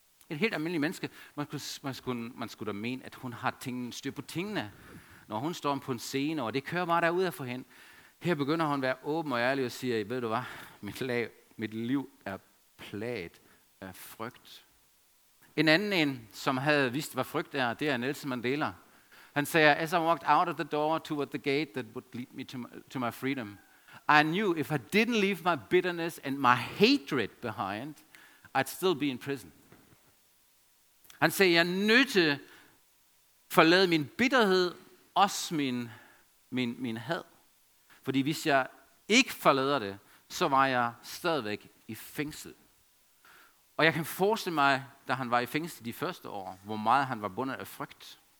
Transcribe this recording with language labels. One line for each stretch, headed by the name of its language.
Danish: Et helt almindeligt menneske, man skulle da mene, at hun har styr på tingene, når hun står på en scene, og det kører bare derude af for hende. Her begynder hun at være åben og ærlig og siger, ved du hvad, mit liv er plaget af frygt. En anden en, som havde vidst, hvad frygt er, det er Nelson Mandela. Han sagde,
English: as I walked out of the door toward the gate that would lead me to my freedom, I knew if I didn't leave my bitterness and my hatred behind, I'd still be in prison.
Danish: Han sagde, jeg nødt til at forlade min bitterhed, også min had. Fordi hvis jeg ikke forlader det, så var jeg stadigvæk i fængsel. Og jeg kan forestille mig, da han var i fængsel de første år, hvor meget han var bundet af frygt.